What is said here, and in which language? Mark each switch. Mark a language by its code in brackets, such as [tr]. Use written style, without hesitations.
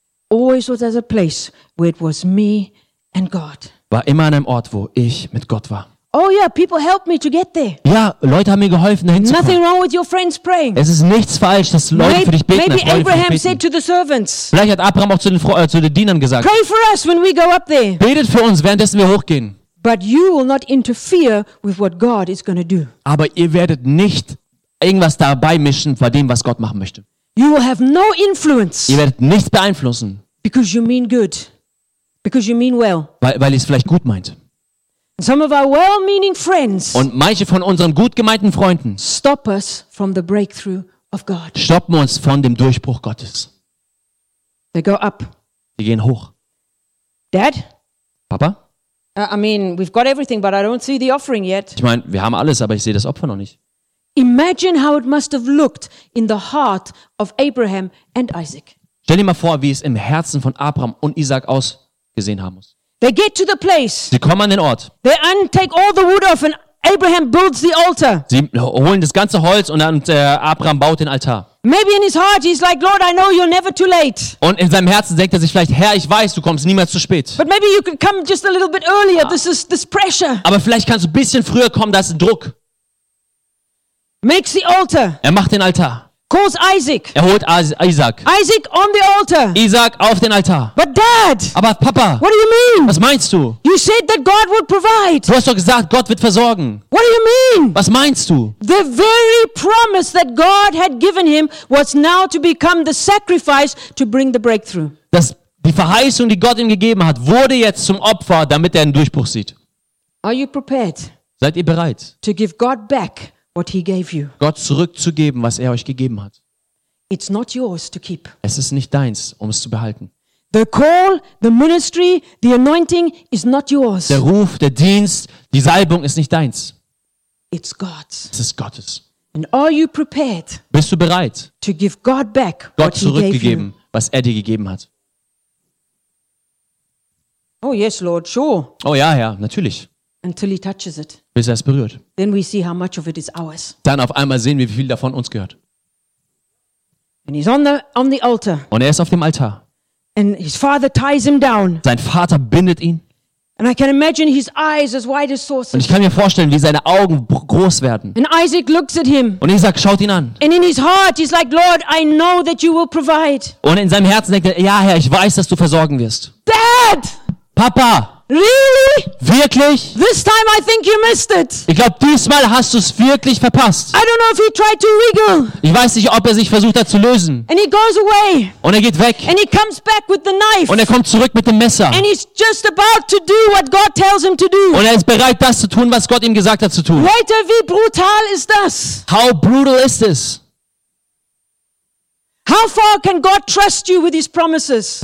[en] Always was at a place where it was me and God. [de] War immer an einem Ort, wo ich mit Gott war. [en] Oh yeah, people helped me to get there. [de] Ja, Leute haben mir geholfen, dahin zu kommen. [en] Nothing wrong with your friends praying. [de] Es ist nichts falsch, dass Leute für dich beten. [en] Maybe Abraham said to the servants. [de] Vielleicht hat Abraham auch zu den Dienern gesagt. [en] Pray for us when we go up there. [de] Betet für uns, währenddessen wir hochgehen. [en] But you will not interfere with what God is going to do. [de] Aber ihr werdet nicht irgendwas dabei mischen bei dem, was Gott machen möchte. [en] You will have no influence. [de] Ihr werdet nichts beeinflussen. [en] Because you mean good. Because you mean well. [de] Weil ihr es vielleicht gut meint. [en] Some of our well-meaning friends. [de] Und manche von unseren gut gemeinten Freunden. [en] Stop us from the breakthrough of God. [de] Stoppen uns von dem Durchbruch Gottes. [en] They go up. [de] Die gehen hoch. [en] Dad? [de] Papa? [en] I mean, we've got everything, but I don't see the offering yet. [de] Ich meine, wir haben alles, aber ich sehe das Opfer noch nicht. [en] Imagine how it must have looked in the heart of Abraham and Isaac. [de] Stell dir mal vor, wie es im Herzen von Abraham und Isaac ausgesehen haben muss. [en] They get to the place. [de] Sie kommen an den Ort. [en] They untake all the wood off and Abraham builds the altar. [de] Sie holen das ganze Holz und dann Abraham baut den Altar. [en] Maybe in his heart he's like, Lord, I know you're never too late. [de] Und in seinem Herzen denkt er sich vielleicht, Herr, ich weiß, du kommst niemals zu spät. [en] But maybe you can come just a little bit earlier. [de] Ja. [en] This pressure. [de] Aber vielleicht kannst du ein bisschen früher kommen, da ist ein Druck. [en] Makes the altar. [de] Er macht den Altar. [en] Calls Isaac. [de] Er holt Isaac. [en] Isaac on the altar. [de] Isaac auf den Altar. [en] But Dad. [de] Aber Papa. [en] What do you mean? [de] Was meinst du? [en] You said that God would provide. [de] Du hast doch gesagt, Gott wird versorgen. [en] What do you mean? [de] Was meinst du? [en] The very promise that God had given him was now to become the sacrifice to bring the breakthrough. [de] Das die Verheißung, die Gott ihm gegeben hat, wurde jetzt zum Opfer, damit er einen Durchbruch sieht. [en] Are you prepared? [de] Seid ihr bereit? [en] To give God back. What he gave you. [de] Gott zurückzugeben, was er euch gegeben hat. [en] It's not yours to keep. [de] Es ist nicht deins, um es zu behalten. [en] The call, the ministry, the anointing is not yours. [de] Der Ruf, der Dienst, die Salbung ist nicht deins. [en] It's God's. [de] Es ist Gottes. [en] And are you prepared? [de] Bist du bereit? [en] To give God back [de] Gott [en] what [de] zurückgegeben, [en] he gave you? [de] Was er dir gegeben hat. [en] Oh yes, Lord, sure. [de] Oh ja, ja, natürlich. [en] Until he touches it. [de] Bis er es berührt. [en] Then we see how much of it is ours. [de] Dann auf einmal sehen wir, wie viel davon uns gehört. [en] And he's on the altar. [de] Und er ist auf dem Altar. [en] And his father ties him down. [de] Sein Vater bindet ihn. [en] And I can imagine his eyes as wide as saucers. [de] Und ich kann mir vorstellen, wie seine Augen groß werden. [en] And Isaac looks at him. [de] Und Isaac schaut ihn an. [en] And in his heart he's like, Lord, I know that you will provide. [de] Und in seinem Herzen denkt er, ja, Herr, ich weiß, dass du versorgen wirst. [en] Dad! [de] Papa! [en] Really? [de] Wirklich? [en] This time I think you missed it. [de] Ich glaube, diesmal hast du es wirklich verpasst. [en] I don't know if he tried to wriggle. [de] Ich weiß nicht, ob er sich versucht hat zu lösen. [en] And he goes away. [de] Und er geht weg. [en] And he comes back with the knife. [de] Und er kommt zurück mit dem Messer. [en] And he's just about to do what God tells him to do. [de] Und er ist bereit, das zu tun, was Gott ihm gesagt hat zu tun. Leute, wie brutal ist das? [en] How brutal is this? How far can God trust you with his promises?